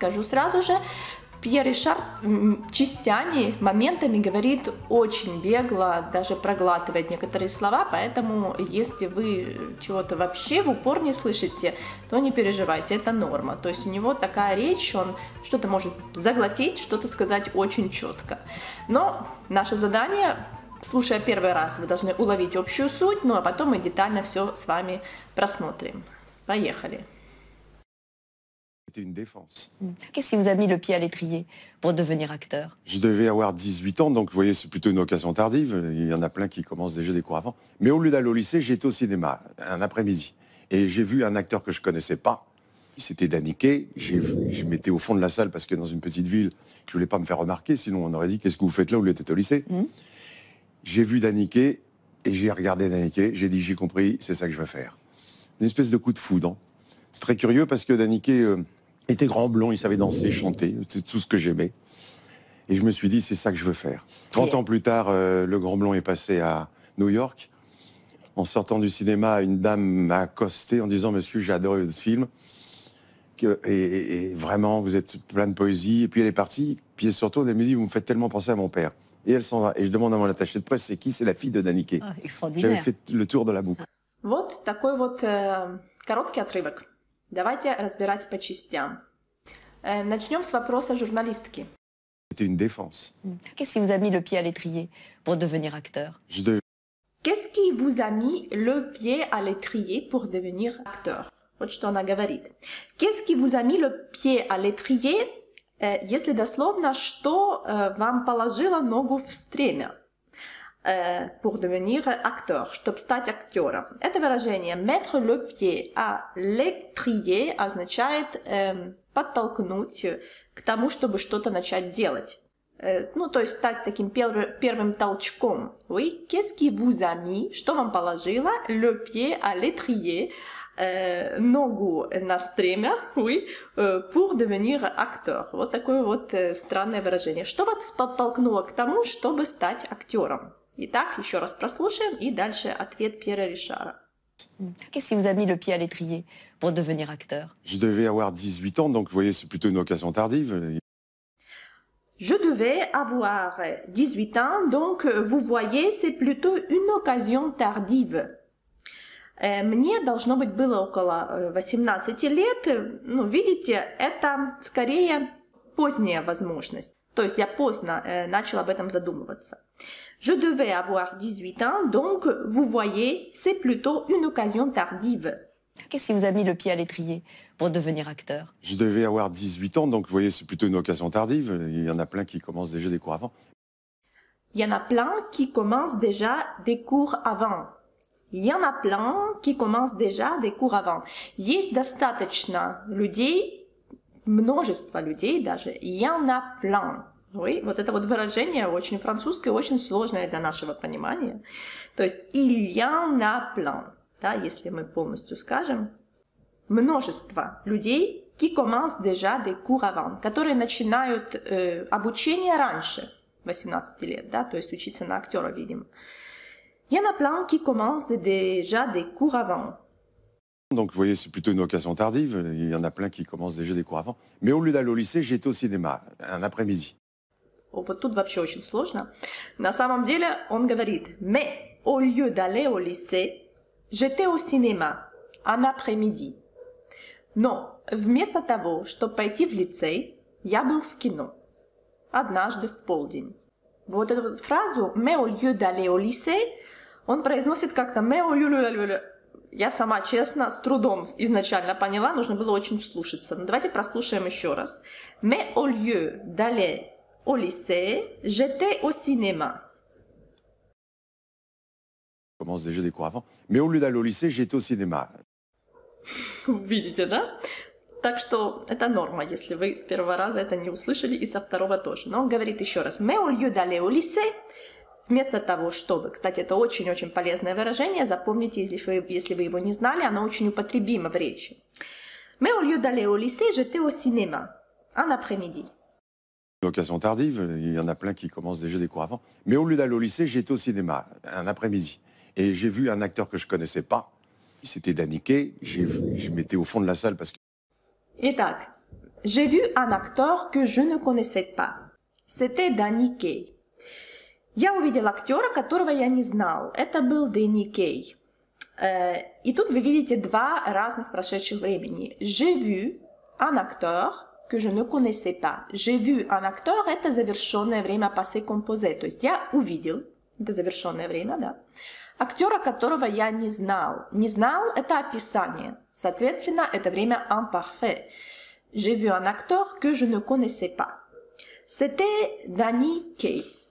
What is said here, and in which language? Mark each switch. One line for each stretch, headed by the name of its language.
Russian: Скажу сразу же, Пьер Ришар частями, моментами говорит очень бегло, даже проглатывает некоторые слова, поэтому если вы чего-то вообще в упор не слышите, то не переживайте, это норма. То есть у него такая речь, он что-то может заглотить, что-то сказать очень четко. Но наше задание, слушая первый раз, вы должны уловить общую суть, ну а потом мы детально все с вами просмотрим. Поехали!
French: C'était une défense. Qu'est-ce qui vous a mis le pied à l'étrier pour devenir acteur? Je devais avoir 18 ans, donc vous voyez, c'est plutôt une occasion tardive. Il y en a plein qui commencent déjà des cours avant. Mais au lieu d'aller au lycée, j'étais au cinéma un après-midi. Et j'ai vu un acteur que je ne connaissais pas. C'était Danny Kaye. Je m'étais au fond de la salle parce que dans une petite ville, je ne voulais pas me faire remarquer. Sinon, on aurait dit, qu'est-ce que vous faites là au lieu d'être au lycée? J'ai vu Danny Kaye et j'ai regardé Danny Kaye. J'ai dit, j'ai compris, c'est ça que je vais faire. Une espèce de coup de foudre. C'est très curieux parce que Danny Kaye, il était grand blond, il savait danser, chanter, c'est tout ce que j'aimais. Et je me suis dit, c'est ça que je veux faire. 30 ans plus tard, le grand blond est passé à New York. En sortant du cinéma, une dame m'a accosté en disant, monsieur, j'ai adoré votre film. Et vraiment, vous êtes plein de poésie. Et puis elle est partie, puis elle se retourne, elle me dit, vous me faites tellement penser à mon père. Et elle s'en va. Et je demande à mon attaché de presse, c'est qui? C'est la fille de Danny Kaye. J'avais fait le tour de la boucle.
Russian: Вот такой вот короткий отрывок. Давайте разбирать по частям. Начнем с вопроса журналистки.
French: C'était une défense. Qu'est-ce qui vous a mis le pied à l'étrier pour devenir acteur? Qu'est-ce qui vous a mis le pied à l'étrier pour devenir acteur?
Russian: Вот что она говорит.
French: Qu'est-ce qui vous a mis le pied à l'étrier?
Russian: Если дословно, что вам положило ногу в стремя?
French: Pour devenir acteur,
Russian: чтобы стать актером. Это выражение
French: mettre le pied à l'étrier
Russian: означает подтолкнуть к тому, чтобы что-то начать делать. Ну, то есть стать таким первым толчком.
French: Oui, qu'est-ce qui vous a mis,
Russian: что вам положило
French: le pied à l'étrier,
Russian: ногу на стремя,
French: oui, pour devenir acteur.
Russian: Вот такое вот странное выражение. Что вас подтолкнуло к тому, чтобы стать актером? Итак, еще раз прослушаем, и дальше ответ Пьера Ришара.
French: Qu'est-ce qui vous a mis le pied à l'étrier pour devenir acteur? Je devais avoir 18 ans, donc vous voyez, c'est plutôt une occasion tardive. Je devais avoir 18 ans, donc vous voyez, c'est plutôt une occasion tardive.
Russian: Мне должно быть было около 18 лет. Ну, видите, это скорее поздняя возможность. То есть я поздно начал об этом задумываться.
French: Je devais avoir 18 ans, donc vous voyez, c'est plutôt une occasion tardive. Qu'est-ce qui vous a mis le pied à l'étrier pour devenir acteur? Je devais avoir 18 ans, donc vous voyez, c'est plutôt une occasion tardive. Il y en a plein qui commencent déjà des cours avant. Il y en a plein qui commencent déjà des cours avant. Il y en a plein qui commencent déjà des cours avant.
Russian: Есть достаточно людей, множество людей даже.
French: Il y en a plein.
Russian: Oui, вот это вот выражение очень французское, очень сложное для нашего понимания. То есть,
French: il y en a plein,
Russian: да, если мы полностью скажем. Множество людей,
French: qui commencent déjà des cours avant,
Russian: которые начинают обучение раньше, 18 лет, да, то есть учиться на актера, видимо.
French: Il y en a plein, qui commencent déjà des cours avant. Donc, vous voyez, c'est plutôt une occasion tardive. Il y en a plein qui commencent déjà des cours avant. Mais au lieu d'aller au lycée, j'étais au cinéma, un après-midi.
Russian: Вот тут вообще очень сложно. На самом деле он говорит «мэ»,
French: au lieu d'aller au lycée, j'étais au cinéma, un après-midi.
Russian: Но вместо того, чтобы пойти в лицей, я был в кино. Однажды в полдень. Вот эту вот фразу
French: «me au lieu d'aller au lycée»
Russian: он произносит как-то
French: «me au lieu d'aller».
Russian: Я сама, честно, с трудом изначально поняла, нужно было очень вслушаться. Но давайте прослушаем еще раз.
French: «Me au lieu d'aller au lycée, j'étais au cinéma». Je commence déjà des cours avant. «Me au lieu d'aller au lycée, j'étais au cinéma».
Russian: Видите, да? Так что это норма, если вы с первого раза это не услышали и со второго тоже. Но он говорит еще раз.
French: «Me au lieu d'aller au lycée».
Russian: Вместо того, чтобы. Кстати, это очень-очень полезное выражение. Запомните, если вы его не знали, оно очень употребимо в речи.
French: «Me au lieu d'aller au lycée, j'étais au cinéma. Un après-midi». Location tardive, il y en a plein qui commencent déjà des cours avant. «Me au lieu d'aller au lycée, j'étais au cinéma. Un après-midi. Et j'ai vu un acteur que je ne connaissais pas. C'était Danny Kaye. Je m'étais au fond de la salle parce que...» Итак, «j'ai vu un acteur que je ne connaissais pas. C'était Danny Kaye».
Russian: Я увидел актера, которого я не знал. Это был Дэнни Кей. И тут вы видите два разных прошедших времени.
French: «J'ai vu un acteur que je ne connaissais pas». «J'ai vu un acteur» —
Russian: это завершенное время
French: passé composé.
Russian: То есть я увидел, это завершенное время, да, актера, которого я не знал. «Не знал» — это описание. Соответственно, это время imparfait.
French: «J'ai vu un acteur que je ne connaissais pas». C'était Дэнни Кей.